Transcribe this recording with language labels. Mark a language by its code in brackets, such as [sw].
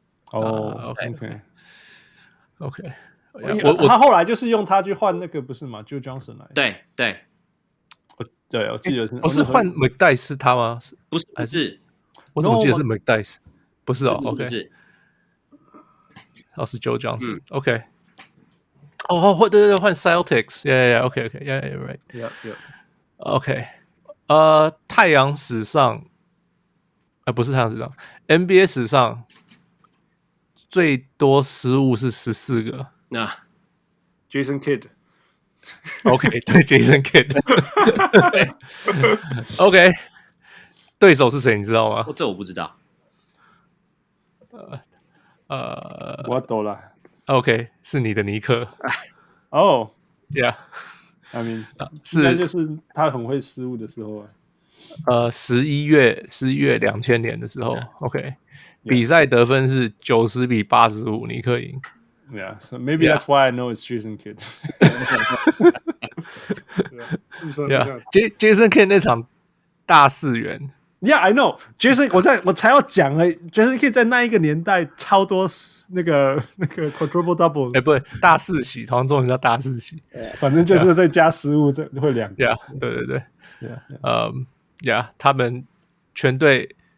[en] 哦、oh, ，OK，OK，、 [zh] okay. 他后来就是用他去换那个不是吗 ？Joe Johnson 来。对对，对，我记得是、欸、不是换 McDice 是他吗？不是，还是我怎么记得是 McDice？不是哦 ，OK，不是， [en] 哦、okay. 是 Joe Johnson，OK、嗯。哦、okay. 换、oh, [zh] 对对对，换 Celtics， [en] Yeah Yeah，OK，OK，Yeah Yeah Right，Yeah [zh] Yeah，OK， 太阳史上。不是太阳史上 ，NBA 史上最多失误是14个。那、 [en] Jason Kidd。 OK， 对 ，Jason Kidd。 [zh] OK， 对手是谁？你知道吗？这我不知道。我懂了。 OK， 是你的尼克。哦、 [en] oh, ，Yeah， I mean， [zh] 是，那就是他很会失误的时候啊。 11月2000年的时候、yeah. ，OK，、yeah. 比赛得分是90-85，尼克赢。 [en] Yeah, so maybe that's why I know it's Jason Kidd. [zh] yeah, Jason Kidd 那场大四元。 [en] Yeah, I know Jason. [zh] 我才要讲哎 ，Jason Kidd 在那一个年代超多那个 quadruple double。哎，不对，大四喜，通常叫大四喜。 Yeah. 反正就是再加失误，这、 [en] yeah. [zh] 会两个。 Yeah, 对对对。 [en] Yeah, [zh] 呀、yeah, ，他们全队，